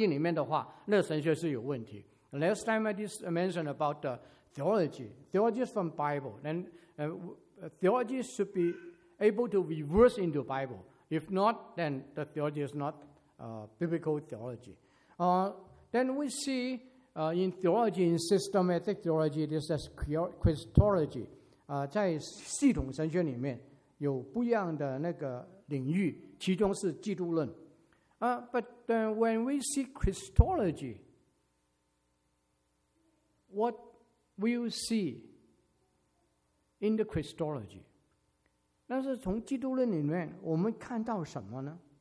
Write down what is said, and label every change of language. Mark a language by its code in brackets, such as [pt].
[zh] 我们可以说说一个也是神学里面的基督论，当然神学也从圣经出来，上次我已经讲了，假如神学不是从圣经出来，或者神学不能回到圣经里面的话，那神学是有问题。 [en] Last time I just mentioned about the theology. Theology is from Bible. And theology should be able to reverse into Bible. If not, then the theology is not biblical theology. Then we see in theology, in systematic theology, this is Christology. [zh] 在系统神学里面有不一样的那个领域，其中是基督论。 [en] But when we see Christology, what we will see in the Christology? [zh] 但是从基督论里面我们看到什么呢？